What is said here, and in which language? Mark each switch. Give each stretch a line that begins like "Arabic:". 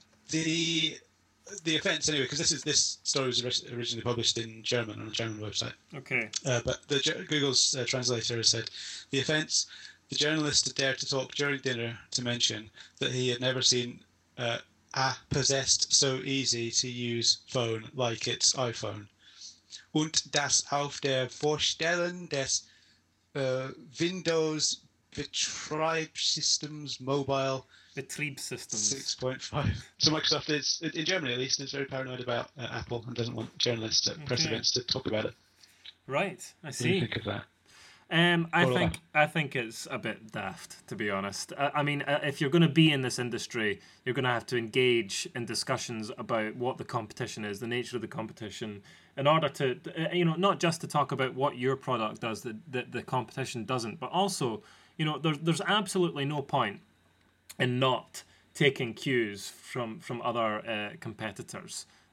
English: The offence, anyway, because this story was originally published in German on a German website. Okay. But the Google's translator has said, the offence, the journalist had dared to talk during dinner to mention that he had never seen a possessed so easy to use phone like its iPhone.
German: Und das auf der Vorstellung des Windows Betriebssystems Mobile... Betriebssystems. 6.5.
English: So Microsoft is, in Germany at least, is very paranoid about Apple and doesn't want journalists at press events to talk about it. Right, I see. What do you think of that? I think it's a bit daft, to be honest. I mean, if you're going to be in this industry, you're going to have to engage in discussions about what the competition is, the nature of the competition, in order to, you know, not just to talk about what your product does that, that the competition doesn't, but also, you know, there's absolutely no point in not taking cues from other competitors.